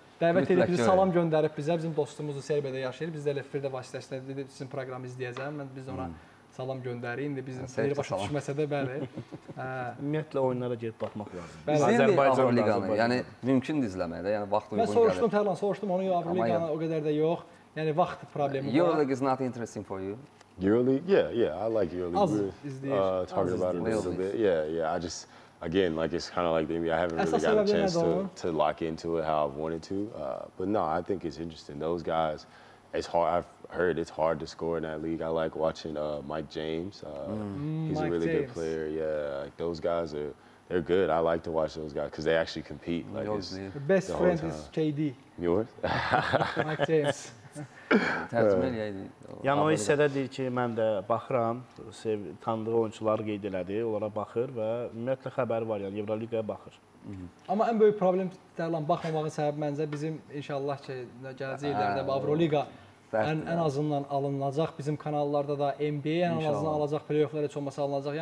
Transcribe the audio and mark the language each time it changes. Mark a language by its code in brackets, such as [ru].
[az] Dəvət edib, bizi salam göndərib bizə, bizim dostumuzu Serbiyada yaşayır. Biz də elə Firdə vasitəsində dedi, sizin proqramı izləyəcəm, mən biz ona salam göndəriyim. İndi bizim seyir başa düşməsə də, bəli. Ümumiyyətlə, oyunlara gedib baxmaq lazım. Bəli, Azərbaycan Avroliqanı, yəni mümkün izləmək də, yəni vaxt uyğun gəlir. Mən soruşdum, Tərlan, soruşdum, onun Avroliqanı o qədər də yox. Yəni, vaxt problemi var. [en] Euroleague is not interesting for you. Euroleague? Yeah, I like Euroleague. [az] Az izləyir. [en] Again, like it's kind of like the NBA. I haven't really got a chance to lock into it how I've wanted to. But no, I think it's interesting. Those guys, it's hard. I've heard it's hard to score in that league. I like watching Mike James. He's Mike a really James. Good player. Yeah, like those guys are they're good. I like to watch those guys because they actually compete. Like your best friend is KD. Yours? Mike James. [az] Yəni o hissədə deyir ki, mən də baxıram, tanıdığı oyunçuları qeyd elədi, onlara baxır və ümumiyyətlə xəbəri var, yəni Evroliqaya baxır. Amma ən böyük problem, Dərlan, baxmamağın səbəbi məncə bizim inşallah ki, gələcək illərdə Evroliqa ən azından alınacaq, bizim kanallarda da NBA ən azından alacaq, playofflar heç olmasa alınacaq.